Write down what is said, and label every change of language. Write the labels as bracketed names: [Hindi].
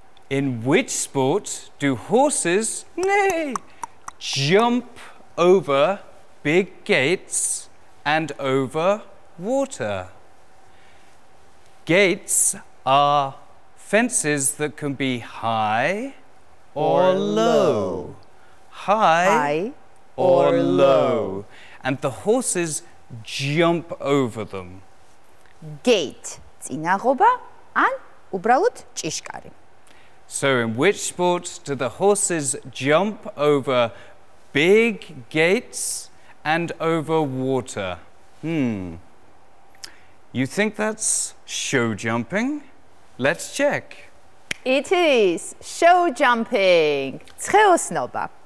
[English] In which sport do horses jump over big gates and over water? Gates are fences that can be high or low. High or low. And the horses jump over them. Gate, [Georgian] წინაღობა ან უბრალოდ ჭიშკარი. [English] So in which sport do the horses jump over big gates and over water? You think that's show jumping? Let's check. It is show jumping. [Georgian] ცხეოსნობა.